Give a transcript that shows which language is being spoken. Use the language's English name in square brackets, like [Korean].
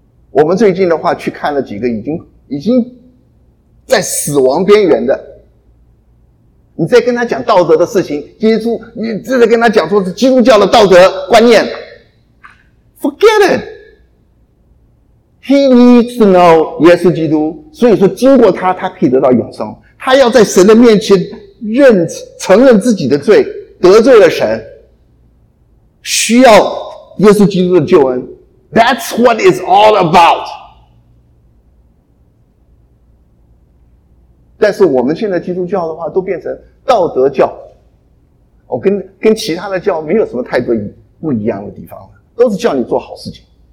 [Chinese] 我们最近的话去看了几个已经在死亡边缘的，你在跟他讲道德的事情，耶稣你正在跟他讲说是基督教的道德观念， [English] Forget it. He needs to know [Chinese] 耶稣基督，所以说经过他，他可以得到永生。他要在神的面前承认自己的罪，得罪了神，需要耶稣基督的救恩。 [English] That's what it's all about. [Chinese] 但是我们现在基督教的话都变成道德教，我跟其他的教没有什么太多不一样的地方，都是叫你做好事情。